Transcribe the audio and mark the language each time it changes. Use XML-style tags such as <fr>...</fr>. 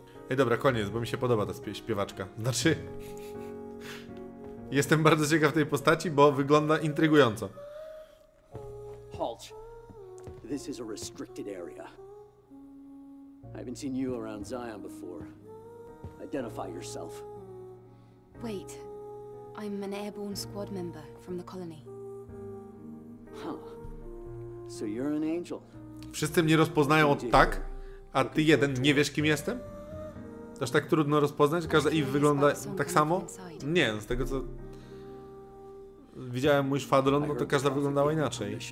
<pl>Ej, dobra, koniec, bo mi się podoba ta śpiewaczka. Znaczy... Jestem bardzo ciekaw tej postaci, bo wygląda intrygująco.</pl> <en>Halt. This is a restricted area. I haven't seen you around Zion before. Identify yourself. Wait. I'm an airborne squad member from the colony. Huh. So you're an angel.</en> <pl>Wszyscy mnie rozpoznają od tak, a ty jeden nie wiesz kim jestem? To aż tak trudno rozpoznać? Każda Eve wygląda tak samo? Nie, z tego co widziałem mój szwadron, no to każda wyglądała inaczej.</pl>